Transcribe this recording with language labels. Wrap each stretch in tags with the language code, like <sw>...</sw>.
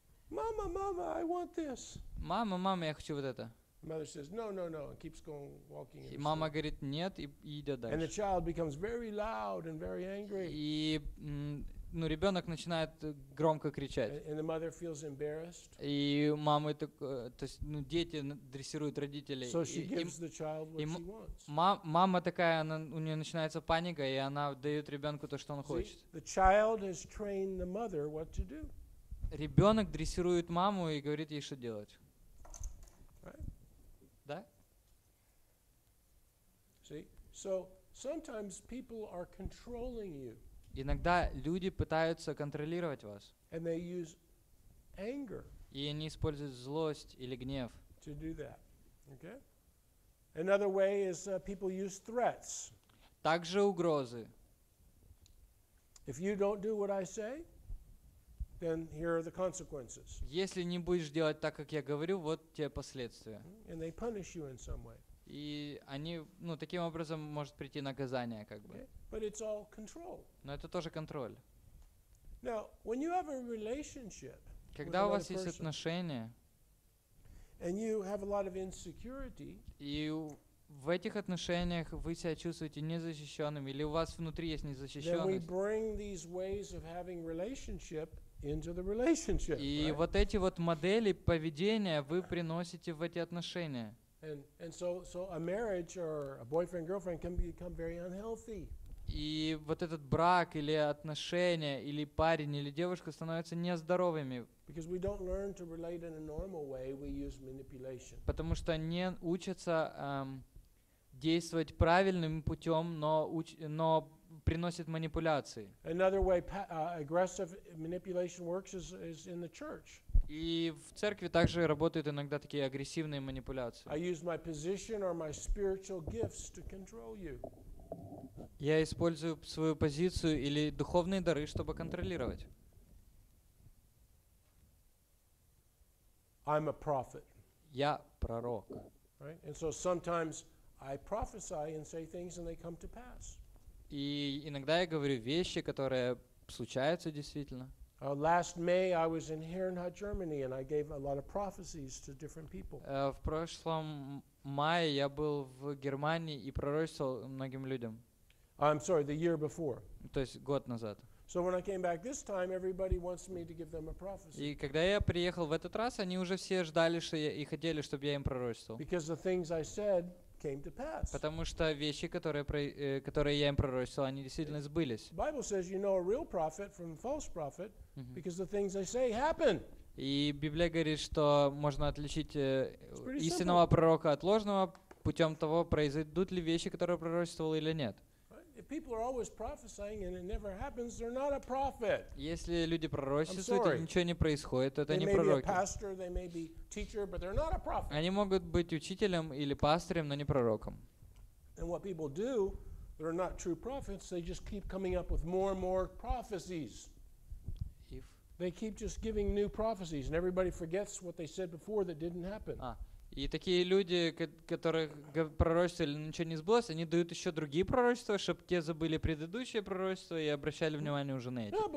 <ru>Мама, мама,</ru> <en>I want this.</en> <ru>Мама, мама, я хочу вот это.</ru> <en>Mother says, no, no, no, and keeps going walking.</en> <ru>И мама говорит нет и идет дальше.</ru> <en>And the child becomes very loud and very angry.</en> <ru>И ребенок начинает громко кричать.</ru> <en>And the mother feels embarrassed.</en> <ru>И мама дети дрессируют родителей.</ru> <en>So she gives the child what she wants.</en> <ru>Мама такая, у нее начинается паника, и она дает ребенку то, что он хочет.</ru> <en>The child has trained the mother what to do.</en> <ru>Ребенок дрессирует маму и говорит ей, что делать.</ru> <en>Right.</en> <ru>Да?</ru> <en>See? So sometimes people are controlling you.</en> <ru>Иногда люди пытаются контролировать вас.</ru> <en>And they use anger.</en> <ru>И они используют злость или гнев.</ru> <en>To do that. Okay? Another way is people use threats.</en> <ru>Также угрозы.</ru> <en>If you don't do what I say, then here are the consequences.</en> <ru>Если не будешь делать так, как я говорю, вот те последствия.</ru> <en>And they punish you in some way.</en> <ru>И они, таким образом может прийти наказание,</ru> <en>Okay. But it's all control.</en> <ru>Но это тоже контроль.</ru> <en>Now, when you have a relationship,</en> <ru>когда у вас есть отношения,</ru> <en>and you have a lot of insecurity,</en> <ru>и в этих отношениях вы себя чувствуете незащищенным, или у вас внутри есть незащищенность,</ru> <en>then we bring these ways of having relationship into the relationship.</en> <ru>И</ru> <en>right?</en> <ru>Вот эти вот модели поведения вы приносите в эти отношения.</ru> <en>And so a marriage or a boyfriend girlfriend can become very unhealthy.</en> <ru>И вот этот брак или отношения или парень или девушка становятся нездоровыми.</ru> <en>Because we don't learn to relate in a normal way, we use manipulation.</en> <ru>Потому что не учатся действовать правильным путем, но приносит манипуляции.</ru> <en>Another way aggressive manipulation works is in the church.</en> <ru>И в церкви также работают иногда такие агрессивные манипуляции.</ru> <en>I use my position or my spiritual gifts to control you.</en> <ru>Я использую свою позицию или духовные дары, чтобы контролировать.</ru> <en>I'm a prophet.</en> <ru>Я пророк.</ru> <en>Right? And so sometimes I prophesy and say things and they come to pass.</en> <ru>И иногда я говорю вещи, которые случаются действительно.</ru> <en>Last May I was in Herrenhut, Germany, and I gave a lot of prophecies to different people.</en> <ru>В прошлом мае я был в Германии и пророчествовал многим людям.</ru> <en>I'm sorry, the year before.</en> <ru>То есть год назад.</ru> <en>So when I came back this time, everybody wants me to give them a prophecy.</en> <ru>И когда я приехал в этот раз, они уже все ждали, что я и хотели, чтобы я им пророчествовал.</ru> <en>Because the things I said came to pass.</en> <ru>Потому что вещи, которые я им пророчил, они действительно сбылись.</ru> <en>The Bible says you know a real prophet from a false prophet because the things they say happen.</en> <ru>И Библия говорит, что можно отличить истинного пророка от ложного путем того, произойдут ли вещи, которые пророчествовал, или нет.</ru> <en>If people are always prophesying and it never happens, they're not a prophet.</en> <ru>Если люди пророчествуют, и ничего не происходит, это не пророки.</ru> <en>They may be a pastor, they may be teacher, but they're not a prophet.</en> <ru>Они могут быть учителем или пастырем, но не пророком.</ru> <en>And what people do, they're not true prophets, they just keep coming up with more and more prophecies. They keep just giving new prophecies and everybody forgets what they said before that didn't happen.</en> <ru>И такие люди, которых пророчества или ничего не сбылось, они дают еще другие пророчества, чтобы те забыли предыдущие пророчества и обращали внимание уже на эти.</ru>